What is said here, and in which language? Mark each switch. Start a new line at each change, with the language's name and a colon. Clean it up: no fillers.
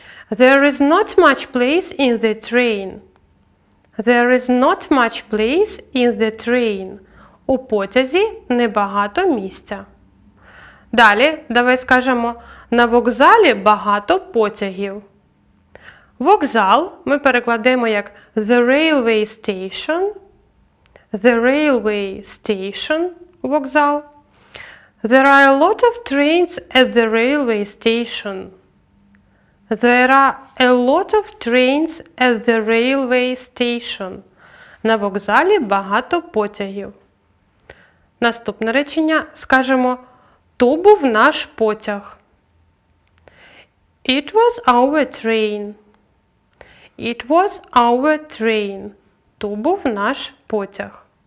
English: There is not much place in the train. There is not much place in the train.
Ukrainian: У потязі небагато місця. Далі, давай скажемо, на вокзалі багато потягів. Вокзал ми перекладемо як
English: the railway station. The railway station – вокзал. There are a lot of trains at the railway station. There are a lot of trains at the railway station.
Ukrainian: На вокзалі багато потягів. Наступне речення, скажемо, то був наш потяг.
English: It was our train. It was our train.
Ukrainian: То був наш потяг.